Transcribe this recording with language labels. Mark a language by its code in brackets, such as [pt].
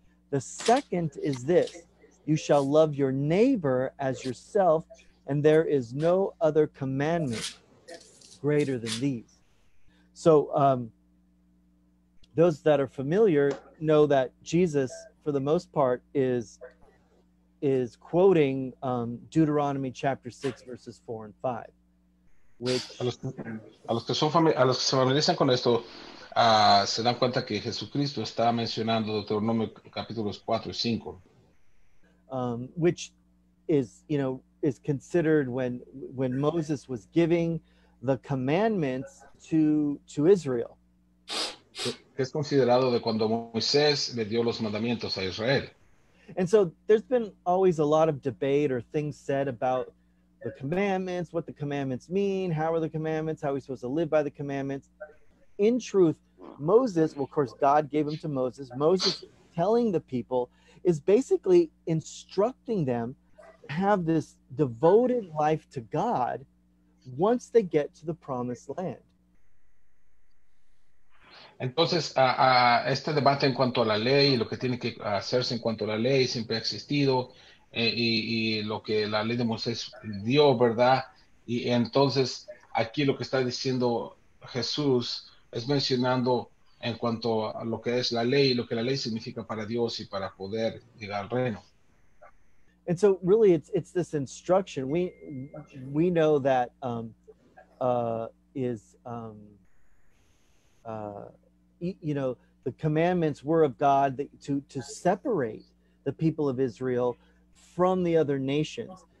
[en] The second is this, you shall love your neighbor as yourself. And there is no other commandment greater than these. So those that are familiar know that Jesus, for the most part, is quoting Deuteronomy chapter 6, verses 4 and 5. Which... [es] A los que se familiarizan con esto, se dan cuenta que Jesucristo está mencionando Deuteronomy capítulos 4 y 5. [en] Which is, you know, is considered when Moses was giving the commandments to Israel. [es] Es considerado de cuando Moisés le dio los mandamientos a Israel. [en] And so there's been always a lot of debate or things said about the commandments, what the commandments mean, how are the commandments, how are we supposed to live by the commandments. In truth, Moses, well, of course, God gave them to Moses. Moses telling the people is basically instructing them to have this devoted life to God once they get to the promised land. [es] Entonces, este debate en cuanto a la ley, lo que tiene que hacerse en cuanto a la ley, siempre ha existido, y lo que la ley de Moisés dio, ¿verdad? Y entonces, aquí lo que está diciendo Jesús es mencionando en cuanto a lo que es la ley, lo que la ley significa para Dios y para poder llegar al reino. [en] And so, really, it's this instruction. We know that you know, the commandments were of God to separate the people of Israel from the other nations.